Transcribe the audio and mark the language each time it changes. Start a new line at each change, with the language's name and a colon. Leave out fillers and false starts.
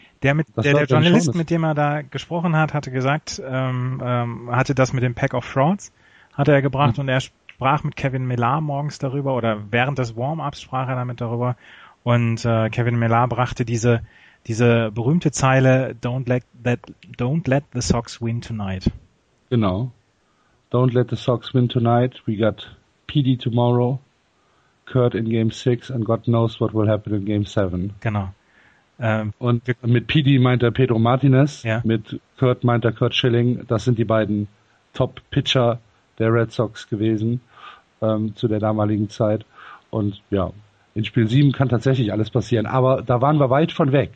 German: der mit der, der Journalist, mit dem er da gesprochen hat, hatte gesagt, hatte das mit dem Pack of Frauds, hatte er gebracht und er sprach mit Kevin Millar morgens darüber oder während des Warm-ups sprach er damit darüber und Kevin Millar brachte diese berühmte Zeile
English: Don't let the Sox win tonight.
German: Genau.
English: Don't let the Sox win tonight. We got PD tomorrow, Kurt in Game 6 and God knows what will happen in Game 7.
German: Genau. Und mit Petey meint er Pedro Martinez, ja. Mit Kurt meint er Kurt Schilling. Das sind die beiden Top-Pitcher der Red Sox gewesen zu der damaligen Zeit. Und ja, in Spiel 7 kann tatsächlich alles passieren. Aber da waren wir weit von weg.